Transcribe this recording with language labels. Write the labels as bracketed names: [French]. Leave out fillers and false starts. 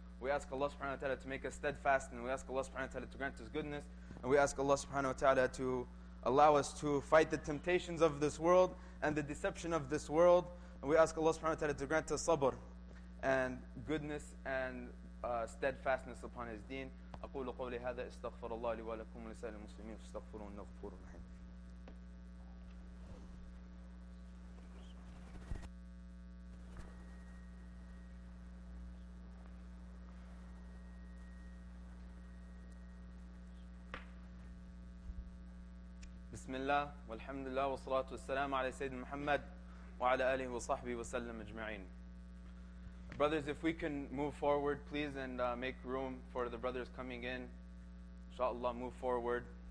[English] We ask Allah subhanahu wa ta'ala to make us steadfast, and we ask Allah subhanahu wa ta'ala to grant us goodness, and we ask Allah subhanahu wa ta'ala to allow us to fight the temptations of this world and the deception of this world. And we ask Allah subhanahu wa ta'ala to grant us sabr and goodness and steadfastness upon his deen. [Arabic] أقول قولي هذا استغفر الله لي ولكم ولسائر المسلمين فاستغفروه إنه غفور رحيم. بسم الله والحمد لله والصلاة والسلام على سيدنا محمد وعلى آله وصحبه وسلم أجمعين. [English] Brothers, if we can move forward, please, and make room for the brothers coming in. Inshallah, move forward.